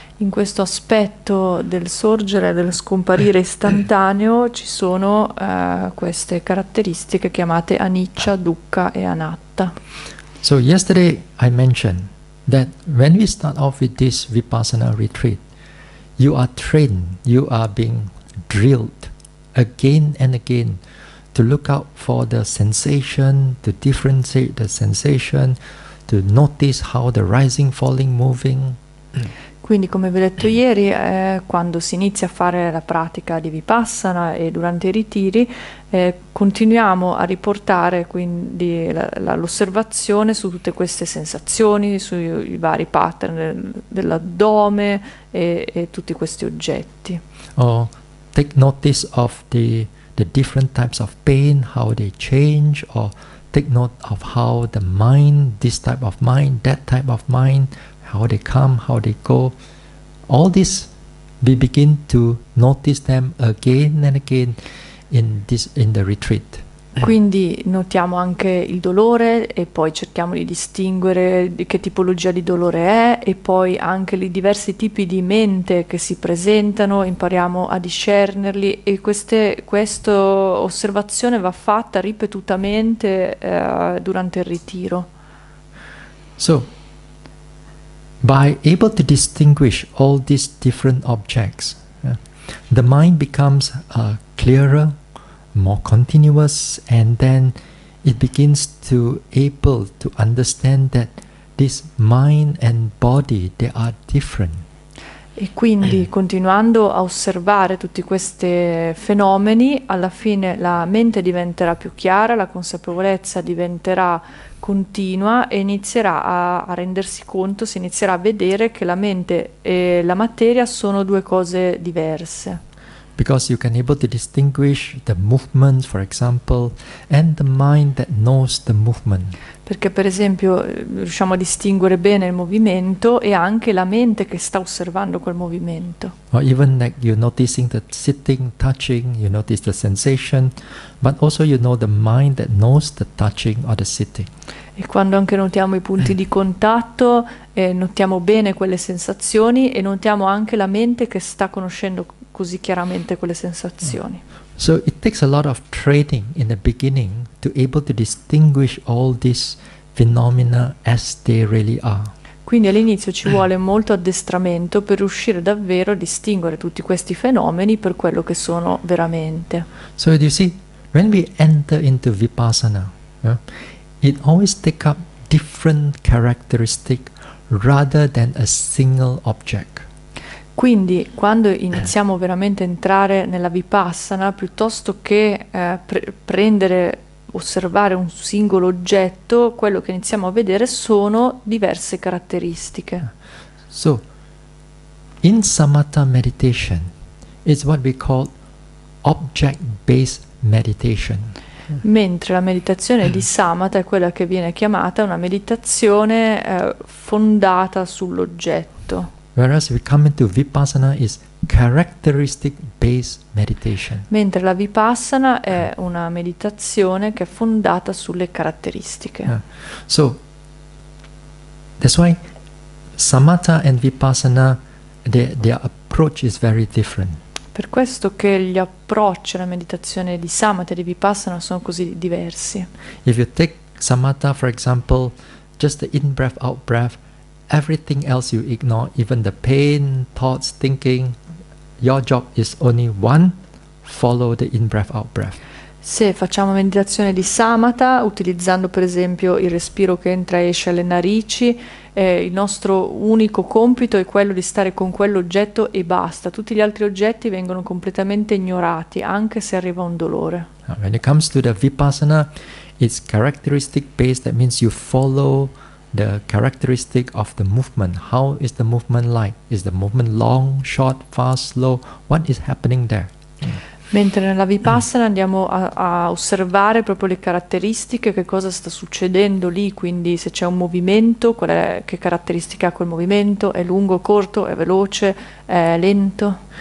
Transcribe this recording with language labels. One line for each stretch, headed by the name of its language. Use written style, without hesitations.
Italian: In questo aspetto del sorgere e del scomparire istantaneo ci sono queste caratteristiche chiamate anicca, dukkha e anatta.
English: So yesterday I mentioned that when we start off with this Vipassana retreat, you are trained, you are being drilled again and again to look out for the sensation, to differentiate the sensation, to notice how the rising, falling, moving.
Italian: Quindi, come vi ho detto ieri, quando si inizia a fare la pratica di Vipassana e durante i ritiri, continuiamo a riportare quindi l'osservazione su tutte queste sensazioni, sui i vari pattern dell'addome e tutti questi oggetti.
English: Oh, take notice of the different types of pain, how they change, or take note of how the mind, this type of mind, that type of mind, how they come, how they go. All this, we begin to notice them again and again in the retreat.
Italian: Quindi notiamo anche il dolore e poi cerchiamo di distinguere di che tipologia di dolore è e poi anche i diversi tipi di mente che si presentano, impariamo a discernerli e questa osservazione va fatta ripetutamente durante il ritiro.
English: So, by able to distinguish all these different objects, the mind becomes clearer, more continuous, and then it begins to able to understand that this mind and body, they are different.
Italian: E quindi continuando a osservare tutti questi fenomeni, alla fine la mente diventerà più chiara, la consapevolezza diventerà continua e inizierà a rendersi conto, si inizierà a vedere che la mente e la materia sono due cose diverse.
English: Because you can able to distinguish the movements, for example, and the mind that knows the movement.
Italian: Perché per esempio riusciamo a distinguere bene il movimento e anche la mente che sta osservando quel movimento.
English: Or even like you're noticing the sitting, touching, you notice the sensation, but also you know the mind that knows the touching or the sitting.
Italian: E quando anche notiamo i punti di contatto, notiamo bene quelle sensazioni e notiamo anche la mente che sta conoscendo così chiaramente quelle sensazioni.
English: So it takes a lot of training in the beginning to able to distinguish all these phenomena as they really are.
Italian: Quindi all'inizio ci vuole molto addestramento per riuscire davvero a distinguere tutti questi fenomeni per quello che sono veramente.
English: So you see, when we enter into Vipassana, it always take up different characteristic rather than a single object.
Italian: Quindi, quando iniziamo veramente a entrare nella Vipassana, piuttosto che prendere, osservare un singolo oggetto, quello che iniziamo a vedere sono diverse caratteristiche.
English: So, in Samatha meditation, it's what we call object-based meditation.
Italian: Mentre la meditazione di Samatha è quella che viene chiamata una meditazione fondata sull'oggetto.
English: Whereas we come into Vipassana is characteristic based meditation.
Italian: Mentre la Vipassana è una meditazione che è fondata sulle caratteristiche.
English: So that's why Samatha and Vipassana their approach is very different.
Italian: Per questo che gli approcci alla meditazione di Samatha e di Vipassana sono così diversi.
English: If you take Samatha, for example, just the in-breath, out-breath, everything else you ignore, even the pain, thoughts, thinking, your job is only one, follow the in-breath, out-breath.
Italian: Se facciamo meditazione di Samatha, utilizzando per esempio il respiro che entra e esce alle narici, il nostro unico compito è quello di stare con quell'oggetto e basta. Tutti gli altri oggetti vengono completamente ignorati, anche se arriva un dolore.
English: When it comes to the Vipassana, it's characteristic based, that means you follow the characteristic of the movement. How is the movement like? Is the movement long, short, fast, slow? What is happening there?
Italian: Mentre nella Vipassana andiamo a osservare proprio le caratteristiche, che cosa sta succedendo lì, quindi se c'è un movimento, qual è, che caratteristica ha quel movimento, è lungo, corto, è veloce, è lento.